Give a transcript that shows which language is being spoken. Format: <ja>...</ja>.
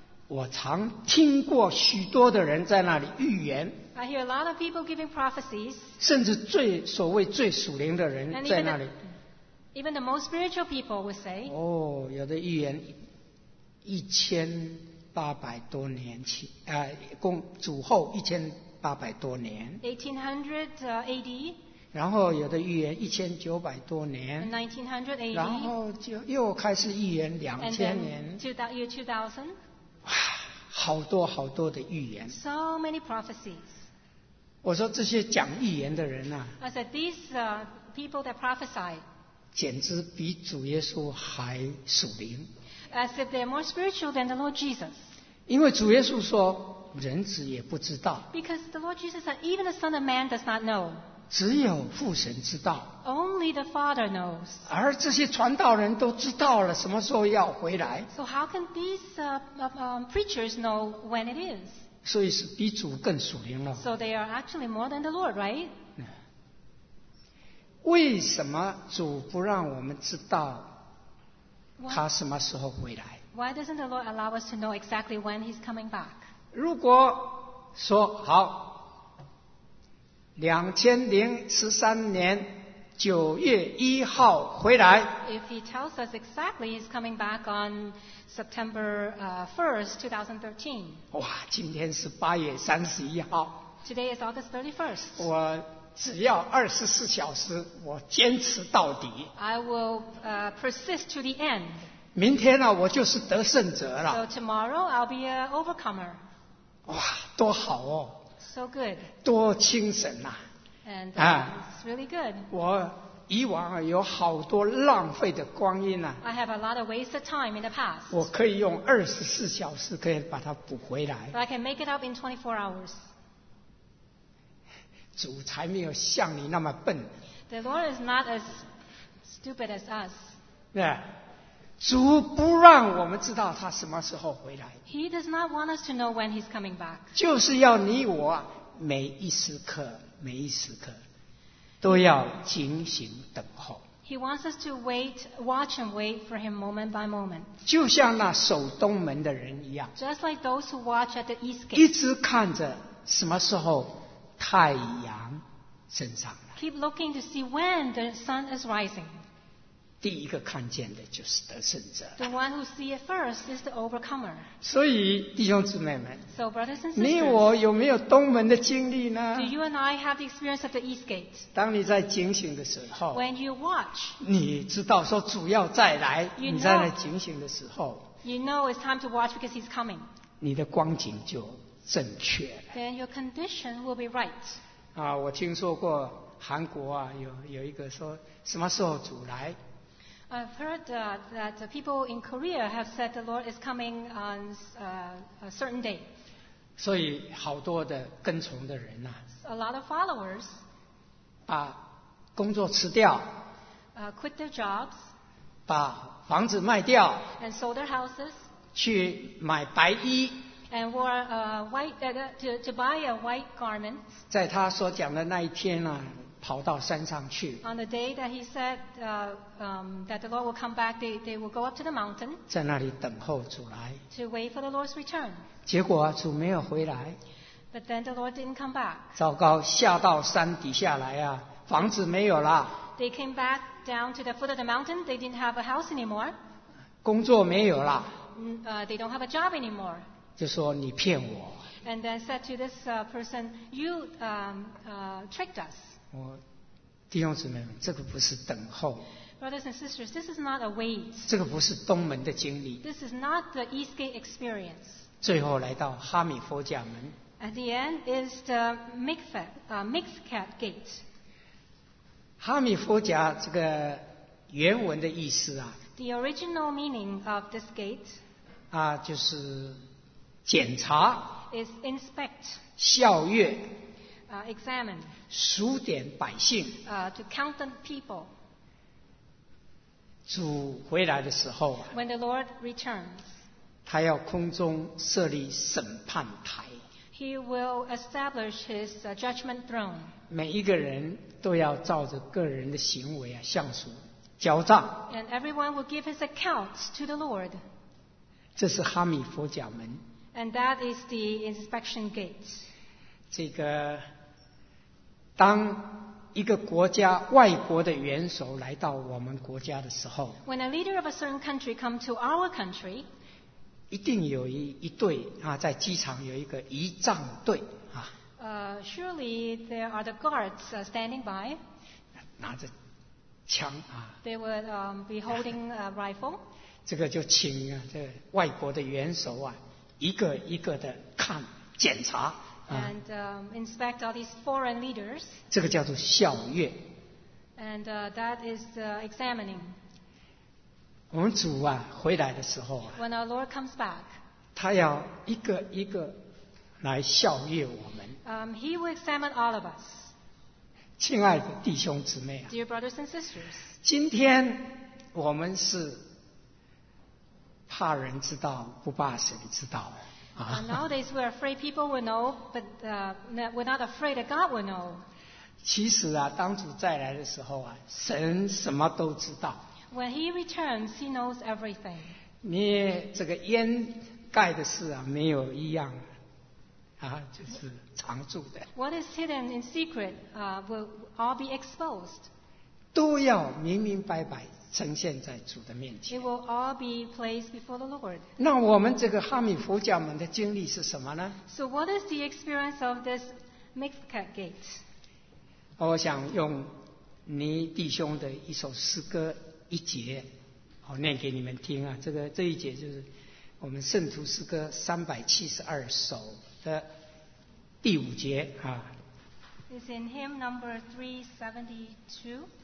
<zh>我常听过许多的人在那里预言。</zh> <en>I hear a lot of people giving prophecies.</en> <zh>甚至最所谓最属灵的人在那里。</zh> <en>Even the most spiritual people would say,</en> <zh>"Oh, 有的预言一千八百多年前，公主后一千八百多年</zh> <en>1800 AD.</en> <zh>然后有的预言一千九百多年</zh> <en>1900 AD.</en> <zh>然后就又开始预言两千年</zh> <en>2000.</en> <zh>哇，好多好多的预言</zh> <en>So many prophecies.</en> <zh>我说这些讲预言的人啊</zh> <en>I said these people that prophesy.</en> <zh>简直比主耶稣还属灵。</zh> <en>As if they are more spiritual than the Lord Jesus.</en> <zh>因为主耶稣说，人子也不知道。</zh> <en>Because the Lord Jesus said, even the Son of Man does not know.</en> <zh>只有父神知道。</zh> <en>Only the Father knows.</en> <zh>而这些传道人都知道了什么时候要回来。</zh> <en>So how can these preachers know when it is?</en> <zh>所以是比主更属灵了。</zh> <en>So they are actually more than the Lord, right?</en> <zh>为什么主不让我们知道他什么时候回来</zh> <en>Why doesn't the Lord allow us to know exactly when he's coming back?</en> <zh>如果说好2013年9月1号回来</zh> <en>If he tells us exactly he's coming back on September 1st, 2013</en> <zh>哇今天是8月31号</zh> <en>Today is August 31st</en> <zh>我只要24小时我坚持到底</zh> <en>I will persist to the end</en> <zh>明天、啊、我就是得胜者了</zh> <en>So tomorrow I'll be an overcomer</en> <zh>哇多好哦</zh> <en>So good</en> <zh>多精神啊</zh> <en>And it's really good</en> <zh>我以往有好多浪费的光阴啊</zh> <en>I have a lot of wasted time in the past</en> <zh>我可以用24小时可以把它补回来</zh> <en>But I can make it up in 24 hours</en> <zh>主才没有像你那么笨。</zh> <en>The Lord is not as stupid as us.</en> <zh>对，主不让我们知道他什么时候回来。</zh> <en>He does not want us to know when he's coming back.</en> <zh>就是要你我每一时刻，每一时刻都要警醒等候。</zh> <en>He wants us to wait, watch and wait for him moment by moment.</en> <zh>就像那守东门的人一样。</zh> <en>Just like those who watch at the east gate.</en> <zh>一直看着什么时候。太阳升上来。</zh> <en>Keep looking to see when the sun is rising.</en> <zh>第一个看见的就是得胜者。</zh> <en>The one who sees it first is the overcomer.</en> <zh>所以弟兄姊妹们</zh> <en>so, brothers and sisters,</en> <zh>你我有没有东门的经历呢</zh> <en>Do you and I have the experience of the east gate?</en> <zh>当你在警醒的时候</zh> <en>When you watch,</en> <zh>你知道说主要再来</zh> <en>you know,</en> <zh>你在那警醒的时候</zh> <en>You know it's time to watch because he's coming.</en> <zh>你的光景就正确。</zh> <en>Then your condition will be right.</en> <zh>啊，我听说过韩国啊，有一个说什么时候主来</zh> <en>？I've heard that the people in Korea have said the Lord is coming on a certain day.</en> <zh>所以好多的跟从的人呐、啊、</zh> <en>，a lot of followers，</en> <zh>把工作辞掉，</zh> <en>quit their jobs，</en> <zh>把房子卖掉，</zh> <en>and sold their houses，</en> <zh>去买白衣，</zh> <en>and wore a white to buy a white garment。</en> <zh>在他所讲的那一天呢，跑到山上去。</zh> <en>On the day that he said that the Lord will come back, they will go up to the mountain，</en> <zh>在那里等候主来。</zh> <en>To wait for the Lord's return。</en> <zh>结果主没有回来。</zh> <en>But then the Lord didn't come back。</en> <zh>糟糕，下到山底下来啊，房子没有了。</zh> <en>They came back down to the foot of the mountain. They didn't have a house anymore.</en> <zh>工作没有了。</zh> <en>They don't have a job anymore.</en> <zh>就说你骗我。</zh> <en>And then said to this person, you tricked us.</en> <zh>我弟兄姊妹们，这个不是等候。</zh> <en>Brothers and sisters, this is not a wait.</en> <zh>这个不是东门的经历。</zh> <en>This is not the East Gate experience.</en> <zh>最后来到哈米佛甲门。</zh> <en>At the end is the Mikvah Gate.</en> <zh>哈米佛甲这个原文的意思啊，</zh> <en>The original meaning of this gate，</en> <zh>啊，就是检查，</zh> <en>is inspect，</en> <zh>校阅，</zh> <en>examine，</en> <zh>数点百姓，</zh> <en>to count the people。</en> <zh>主回来的时候，</zh> <en>When the Lord returns，</en> <zh>他要空中设立审判台，</zh> <en>He will establish his judgment throne。</en> <zh>每一个人都要照着个人的行为啊，向主交账。</zh> <en>And everyone will give his accounts to the Lord.</en> <zh>这是哈米佛甲门。</zh> <en>And that is the inspection gates.</en> <zh>这个，当一个国家外国的元首来到我们国家的时候</zh> <en>，When a leader of a certain country come to our country，</en> <zh>一定有一队啊，在机场有一个仪仗队。</zh> <en>Surely there are the guards standing by.</en> <zh>拿着枪啊。</zh> <en>They would be holding a rifle.</en> <zh>这个就请啊，这个、外国的元首啊，一个一个的看检查。</zh> <en>And inspect all these foreign leaders.</en> <zh>这个叫做校阅。</zh> <en>And that is examining.</en> <zh>我们主啊回来的时候啊。</zh> <en>When our Lord comes back.</en> <zh>他要一个一个来校阅我们。</zh> <en>He will examine all of us.</en> <zh>亲爱的弟兄姊妹啊，</zh> <en>Dear brothers and sisters,</en> <zh>今天我们是怕人知道，不怕神知道。</zh> <en>Nowadays we are afraid people will know, but we're not afraid that God will know.</en> <zh>其实啊，当主再来的时候啊，神什么都知道。</zh> <en>When He returns, He knows everything.</en> <zh>你这个烟盖的事啊，没有一样啊，就是。藏住的</zh> <en>What is hidden in secret will all be exposed.</en> <zh>都要明明白白呈现在主的面前。</zh> <en>It will all be placed before the Lord.</en> <zh>那我们这个哈米佛甲门的经历是什么呢？</zh> <en>So what is the experience of this Mikvah Gate?</en> <zh>我想用尼弟兄的一首诗歌一节，我念给你们听啊。这个这一节就是我们圣徒诗歌372首的。第五节啊</zh> <en>，is in hymn number 372。</en>